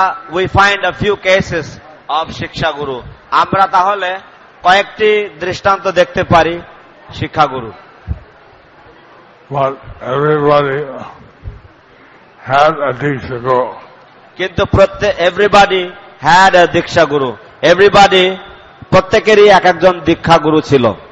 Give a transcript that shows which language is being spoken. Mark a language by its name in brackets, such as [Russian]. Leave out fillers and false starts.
[English] we find a few cases of Shiksha Guru. [Bangla] আমরা তাহলে কয়েকটি দৃষ্টান্ত দেখতে পারি শিক্ষা গুরু. [English] But everybody had a Diksha Guru. [Bangla] কিন্তু প্রত্যেক [English] everybody had a Diksha Guru. Everybody [Bangla] প্রত্যেকেরই এক একজন দীক্ষা গুরু ছিল.